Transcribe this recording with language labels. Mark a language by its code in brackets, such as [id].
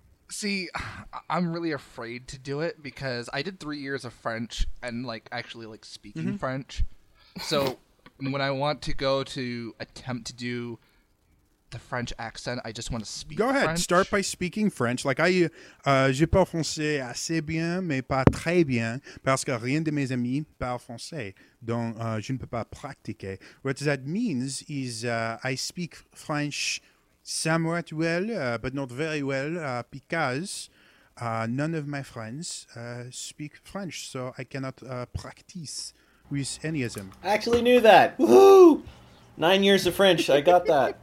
[en] See, I'm really afraid to do it because I did 3 years of French and like actually like speaking French. So, when I want to go to attempt to do the French accent, I just want to speak French. Go ahead. French. Start by speaking French. [fr] Like, je parle français assez bien, mais pas très bien, parce que rien de mes amis parle français. Donc, je ne peux pas pratiquer. [en] What that means is I speak French somewhat well, but not very well, because none of my friends speak French, so I cannot practice with any of them. I actually knew that. Woohoo! 9 years of French. I got that.